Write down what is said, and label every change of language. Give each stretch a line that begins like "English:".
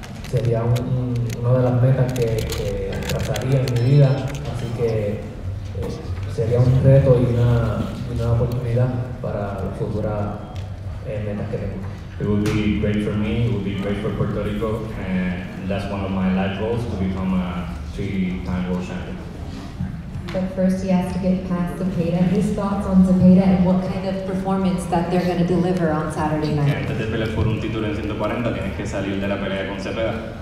Spanish: Sería una de las metas que trazaría en mi vida, así que sería un reto y una oportunidad para las futuras metas que tengo.
English: It would be great for me, it would be great for Puerto Rico, and that's one of my life goals, to become a three-time world champion. But first he has to get past Zepeda. His thoughts on Zepeda and what kind of performance that they're going to deliver on Saturday night?
Spanish: Antes de pelear por un título en 140, tienes que salir de la pelea con Zepeda.